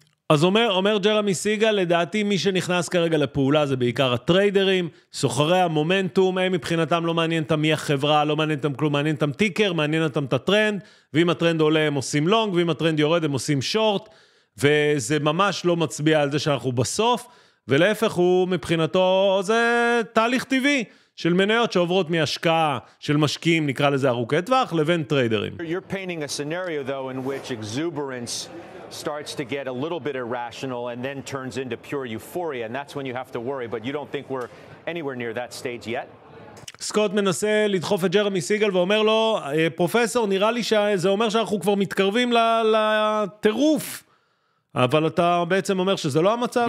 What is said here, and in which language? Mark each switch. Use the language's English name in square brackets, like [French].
[Hebrew] אז אומר ג'רמי סיגל, לדעתי מי שנכנס כרגע לפעולה זה בעיקר הטריידרים, סוחרי המומנטום, הם מבחינתם לא מעניין אותם מי החברה, לא מעניין אותם כלום, מעניין אותם טיקר, מעניין אותם את הטרנד, ואם הטרנד עולה הם עושים לונג, ואם הטרנד יורד הם עושים שורט, וזה ממש לא מצביע על זה שאנחנו בסוף, ולהפך הוא מבחינתו זה תהליך טבעי, של מניות שעוברות מהשקעה של משקיעים, נקרא לזה ארוכי טווח, לבין טריידרים. [English] You're painting a scenario though in which exuberance starts to get a little bit irrational and then turns into pure euphoria, and that's when you have to worry, but you don't think we're anywhere near that stage yet. [Hebrew] סקוט מנסה לדחוף את ג'רמי סיגל ואומר לו, פרופסור, נראה לי שזה אומר שאנחנו כבר מתקרבים לטירוף, אבל אתה בעצם אומר שזה לא המצב?